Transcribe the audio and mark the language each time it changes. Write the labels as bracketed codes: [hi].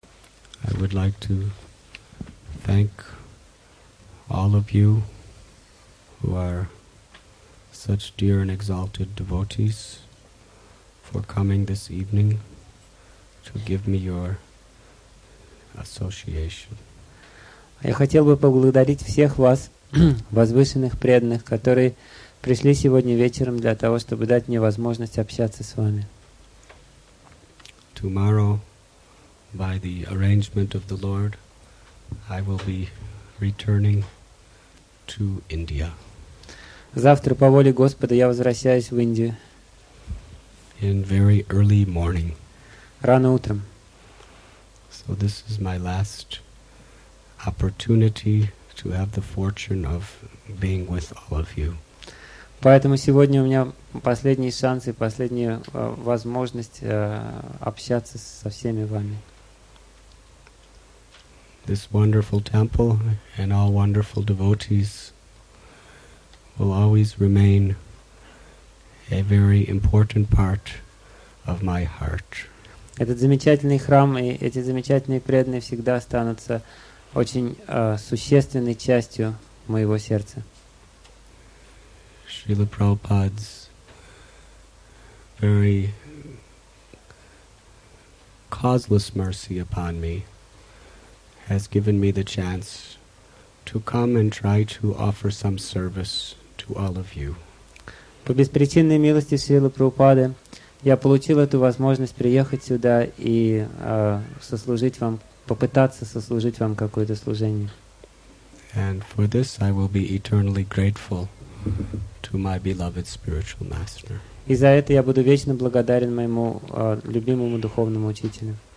[en] I would like to thank all of you who are such dear and exalted devotees for coming this evening to give me your association. [ru] Я хотел бы поблагодарить всех вас, возвышенных преданных, которые пришли сегодня вечером для того, чтобы дать мне возможность общаться с вами. [en] Tomorrow, by the arrangement of the Lord, I will be returning to India. [ru] Завтра, по воле Господа, я возвращаюсь в Индию. [en] In very early morning. [ru] Рано утром. [en] So this is my last opportunity to have the fortune of being with all of you. [ru] Поэтому сегодня у меня последний шанс и последняя возможность общаться со всеми вами. [en] This wonderful temple and all wonderful devotees will always remain a very important part of my heart. [ru] Этот замечательный храм и эти замечательные преданные всегда останутся очень существенной частью моего сердца. [en] Srila Prabhupada's very causeless mercy upon me has given me the chance to come and try to offer some service to all of you. [ru] По беспричинной милости Srila Prabhupada я получил эту возможность приехать сюда и сослужить вам, попытаться сослужить вам какое-то служение. [en] And for this I will be eternally grateful to my beloved spiritual master. [ru] И за это я буду вечно благодарен моему любимому духовному учителю.